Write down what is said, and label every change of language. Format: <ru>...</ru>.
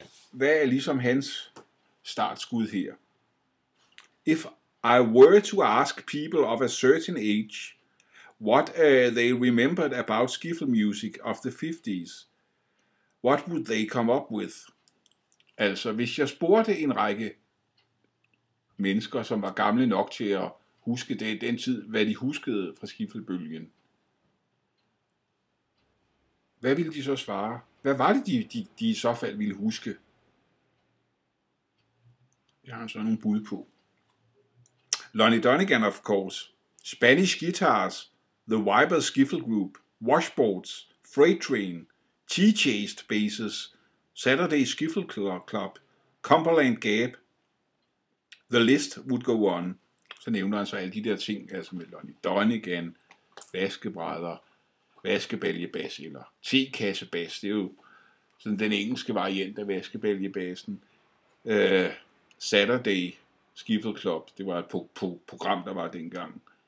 <da>Hvad er ligesom hans startskud her?</da> <en>If I were to ask people of a certain age what they remembered about skiffle music of the 50s, what would they come up with?</en> <da>Altså, hvis jeg spurgte en række mennesker, som var gamle nok til at huske det den tid, hvad de huskede fra skiflebølgen, hvad ville de så svare? Hvad var det, de i så fald ville huske? Jeg har sådan nogle bud på.</da> <en>Lonnie Donegan, of course. Spanish guitars. The Viper Skiffle Group. Washboards. Freight Train. T-Chased Basses, Saturday Skiffle Club, Cumberland Gap, The List Would Go On.</en> <da>Så nævner han så alle de der ting, altså med Lonnie Donegan, vaskebrædder, vaskebaljebass eller tekassebass. Det er jo sådan den engelske variant af vaskebaljebassen. Saturday Skiffle Club, det var et program, der var dengang.</da>